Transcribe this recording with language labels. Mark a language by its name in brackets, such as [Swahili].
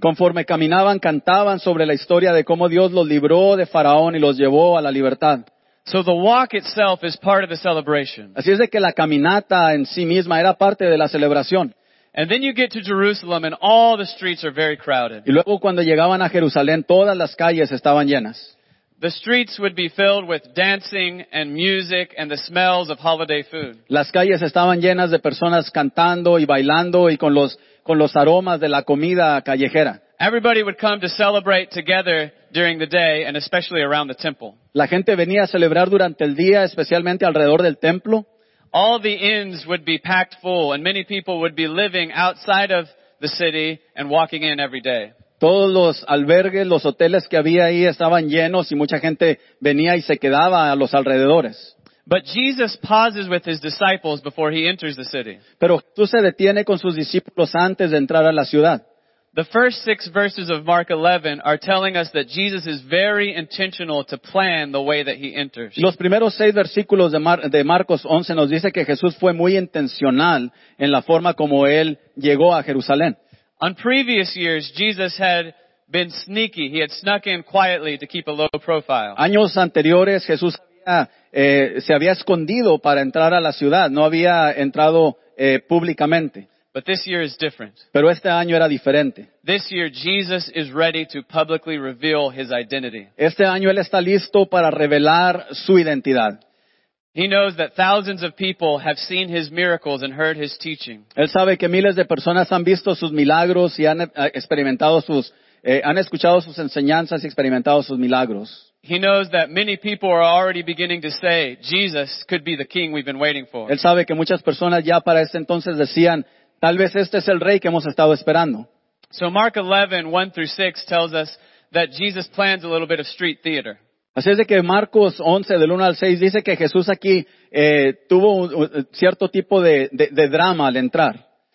[Spanish] Conforme caminaban, cantaban sobre la historia de cómo Dios los libró de Faraón y los llevó a la libertad. [English] So the walk itself is part of the celebration. [Spanish] Así es de que la caminata en sí misma era parte de la celebración. [English] And then you get to Jerusalem and all the streets are very crowded. [Spanish] Y luego cuando llegaban a Jerusalén, todas las calles estaban llenas. [English] The streets would be filled with dancing and music and the smells of holiday food. [Spanish] Las calles estaban llenas de personas cantando y bailando y con los aromas de la comida callejera. [English] Everybody would come to celebrate together during the day and especially around the temple. [Spanish] La gente venía a celebrar durante el día, especialmente alrededor del templo. [English] All the inns would be packed full and many people would be living outside of the city and walking in every day. [Spanish] Todos los albergues, los hoteles que había ahí estaban llenos y mucha gente venía y se quedaba a los alrededores. [English] But Jesus pauses with his disciples before he enters the city. [Spanish] Pero Jesús se detiene con sus discípulos antes de entrar a la ciudad. [English] The first six verses of Mark 11 are telling us that Jesus is very intentional to plan the way that he enters. [Spanish] Los primeros seis versículos de Marcos 11 nos dice que Jesús fue muy intencional en la forma como él llegó a Jerusalén. [English] On previous years, Jesus had been sneaky. He had snuck in quietly to keep a low profile. [Spanish] Años anteriores, Jesús se había escondido para entrar a la ciudad. No había entrado públicamente. [English] But this year is different. [Spanish] Pero este año era diferente. [English] This year, Jesus is ready to publicly reveal his identity. [Spanish] Este año, él está listo para revelar su identidad. [English] He knows that thousands of people have seen his miracles and heard his teaching. [Spanish] Él sabe que miles de personas han visto sus milagros y han experimentado han escuchado sus enseñanzas y experimentado sus milagros. [English] He knows that many people are already beginning to say Jesus could be the king we've been waiting for. [Spanish] Él sabe que muchas personas ya para ese entonces decían, tal vez este es el rey que hemos estado esperando. [English] So Mark 11, 1 through 6 tells us that Jesus plans a little bit of street theater. [Spanish] Así es de que Marcos 11, del 1 al 6, dice que Jesús aquí tuvo un cierto tipo de drama al entrar.